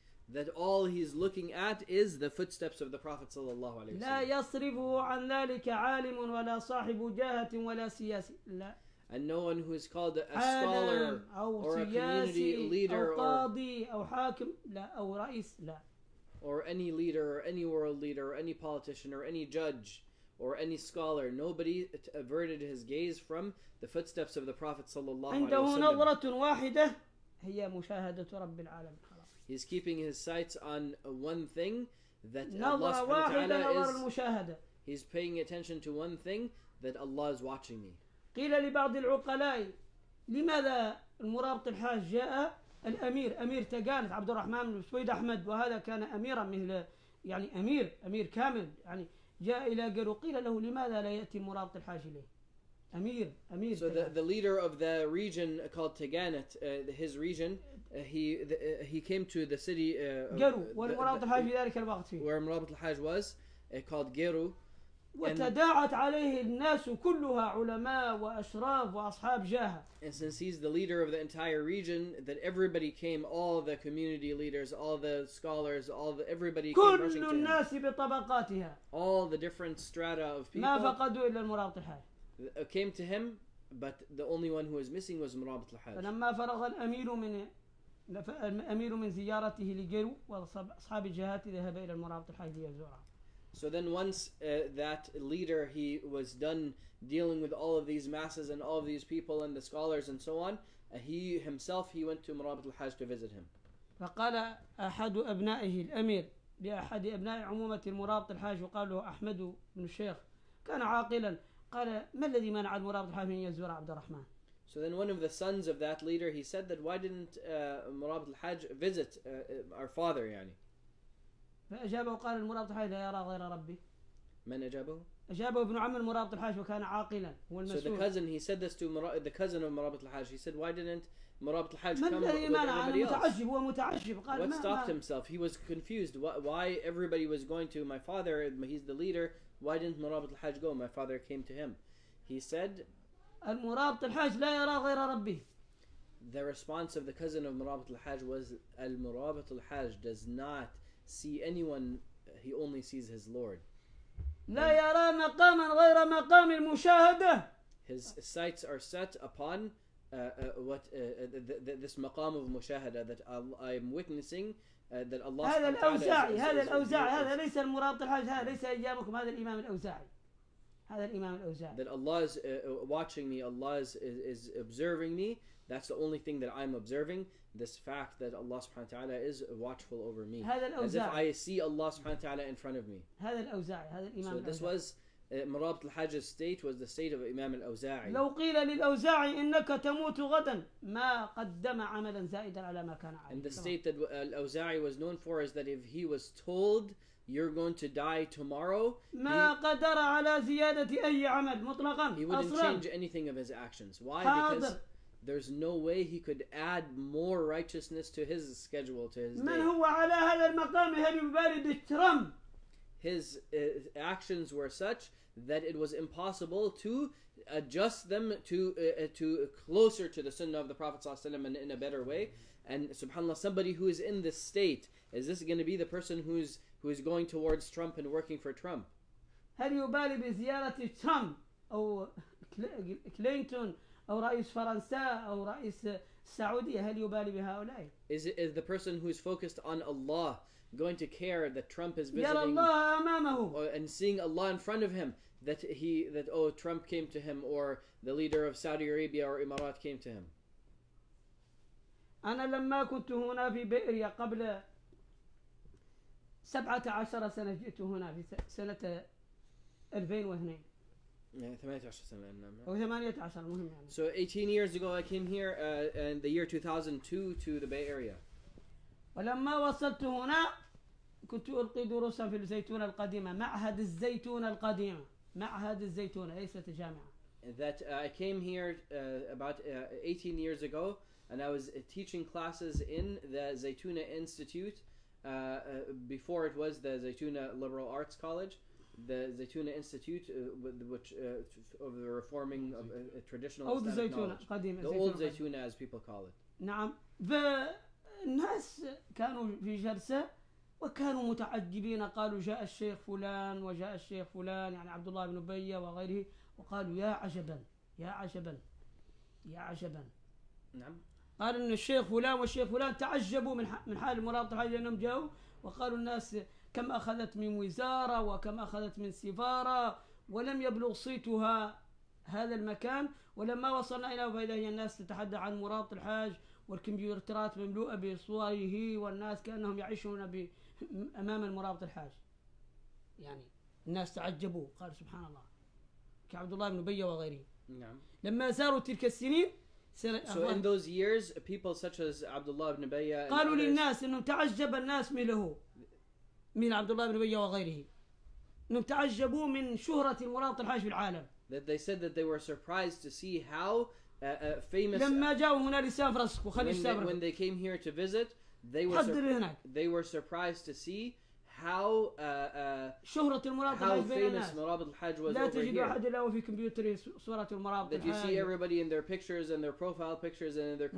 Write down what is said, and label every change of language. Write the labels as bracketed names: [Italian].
[English] That all he's looking at is the footsteps of the Prophet sallallahu alaihi wasallam. [Arabic] لا يصرفه عن ذلك عالم ولا صاحب جاهة ولا سياسي. لا. [English] And no one who is called a scholar or a community leader [Arabic] أو قاضي أو حاكم لا أو رئيس لا. [English] Or any leader or any world leader or any politician or any judge or any scholar, nobody averted his gaze from the footsteps of the Prophet sallallahu alaihi wasallam. [Arabic] عنده نظرة واحدة هي مشاهدة رب العالمين. [English] He's keeping his sights on one thing that Allah subhanahu wa ta'ala is. He's paying attention to one thing that Allah is watching me. [Arabic] قيل لبعض العقلاء لماذا المرابط الحاج جاء الأمير أمير تقانت عبد الرحمن بن سويد أحمد وهذا كان أميرا مثل يعني أمير كامل يعني جاء إلى قالوا قيل له لماذا لا يأتي المرابط الحاج إليه أمير [English] so the leader of the region called Taganet, his region, he came to the city where Murabit al-Hajj was, called Geru. [Arabic] وتداعت عليه الناس كلها علماء وأشراف وأصحاب جاه. [English] And since he's the leader of the entire region, that everybody came, all the community leaders, all the scholars, all the everybody [Arabic] كل الناس بطبقاتها. [English] All the different strata of people. [Arabic] ما فقدوا إلا المرابط الحاج. [English] Came to him, but the only one who was missing was Murabit al-Hajj. [Arabic] فلما فرغ الأمير من زيارته لجرو وأصحاب الجهات ذهب إلى المرابط الحاج ليزوره. [English] So then once that leader, he was done dealing with all of these masses and all of these people and the scholars and so on, he himself, he went to Murabit al-Hajj to visit him. [Arabic] فقال أحد أبنائه الأمير لأحد أبناء عمومة المرابط الحاج وقال له أحمد بن الشيخ كان عاقلا قال ما الذي منع المرابط الحاج من يزور عبد الرحمن. [English] So then one of the sons of that leader, he said that why didn't Murabit al-Hajj visit our father, يعني. [Arabic] فأجابه قال المرابط الحاج لا يرى غير ربي. من أجابه؟ أجابه ابن عم المرابط الحاج وكان عاقلا هو المسؤول. [English] So the cousin, he said this to the cousin of Murabit al-Hajj. He said, why didn't Murabit al-Hajj come with everybody else? [Arabic] من الذي منع؟ متعجب، هو متعجب. قال [English] what stopped himself? He was confused. Why everybody was going to my father? He's the leader. Why didn't Murabit al-Hajj go? My father came to him. He said, [Arabic] المرابط الحاج لا يرى غير ربي. [English] The response of the cousin of Murabit al-Hajj was, المرابط الحاج does not see anyone. He only sees his Lord. [Arabic] لا يرى مقاما غير مقام المشاهدة. [English] His sights are set upon this maqam of mushahada that I am witnessing that Allah. [Arabic] هذا الأوزاعي، هذا الأوزاعي، هذا ليس المرابط الحاج، هذا ليس إجابكم، هذا الإمام الأوزاعي. هذا الإمام الأوزاعي. [English] That Allah is watching me, Allah is observing me. That's the only thing that I'm observing. This fact that Allah subhanahu wa ta'ala is watchful over me. [Arabic] هذا الأوزاعي. [English] As if I see Allah subhanahu wa ta'ala in front of me. [Arabic] هذا الأوزاعي، هذا الإمام الأوزاعي. [English] So this was مرابط الحاج's state was the state of Imam al-Awza'i. [Arabic] لو قيل للأوزاعي إنك تموت غدا ما قدم عملا زائدا على ما كان عليه. [English] And the state that al-Awza'i was known for is that if he was told you're going to die tomorrow, [Arabic] ما قدر على زيادة أي عمل مطلقا. [English] He wouldn't change anything of his actions. Why? Because there's no way he could add more righteousness to his schedule, to his [Arabic] من هو على هذا المقام هذا ببارد الترم. [English] His actions were such that it was impossible to adjust them to closer to the sunnah of the Prophet sallallahu alaihi wasallam in a better way. And subhanAllah, somebody who is in this state, is this going to be the person who is going towards Trump and working for Trump? [Arabic] هل يبالي بزيارة ترامب أو كلينتون أو رئيس فرنسا أو رئيس السعودية؟ هل يبالي بهؤلاء؟ [English] Is the person who is focused on Allah going to care that Trump is visiting [Arabic] الله أمامه [English] and seeing Allah in front of him that Trump came to him or the leader of Saudi Arabia or Emirat came to him? [Arabic] أنا لما كنت هنا في بئريا قبل 17 سنة جئت هنا في سنة 2002 18 مهم يعني. [English] So 18 years ago I came here in the year 2002 to the Bay Area. [Arabic] ولما وصلت هنا كنت ألقي دروسا في الزيتونة القديمة، معهد الزيتونة القديمة، معهد الزيتونة ليست الجامعة. [English] That I came here about 18 years ago and I was teaching classes in the Zaytuna Institute before it was the Zaytuna Liberal Arts College. The Zaytuna Institute, which of the reforming of traditional old Zaytuna, قديم, the Zaytuna old Zaytuna, as people call it. [Arabic] نعم. The ناس كانوا في جلسة وكانوا متعجبين. قالوا جاء الشيخ فلان وجاء الشيخ فلان يعني عبد الله بن أبي وغيره. وقالوا يا عجبا يا عجبا يا عجبا. نعم. قال إن الشيخ فلان والشيخ فلان تعجبوا من حال المرابط الحاج لأنهم جاءوا وقالوا الناس كم أخذت من وزارة وكم أخذت من سفارة ولم يبلغ صيتها هذا المكان. ولما وصلنا إلى فإذا هي الناس تتحدث عن مرابط الحاج والكمبيوترات مملوءة بصوره والناس كأنهم يعيشون أمام المرابط الحاج. يعني الناس تعجبوا قالوا سبحان الله كعبد الله بن أبي وغيره. نعم. لما زاروا تلك السنين [English] So in those years, people such as Abdullah ibn Ubayya [Arabic] قالوا للناس إنهم تعجب الناس من له من عبد الله بن أبي وغيره إنهم تعجبوا من شهرة المرابط الحاج في العالم. [English] That they said that they were surprised to see how famous. [Arabic] لما جاءوا هنا لسان فرسك وخلي السفر. [English] When they came here to visit, they were surprised to see how [Arabic] شهرة المرابط الحاج بين الناس. [English] مرابط الحاج was [Arabic] لا تجد أحد إلا في كمبيوتر صورة المرابط الحاج. [English] That you see everybody in their pictures and their profile pictures and in their computer.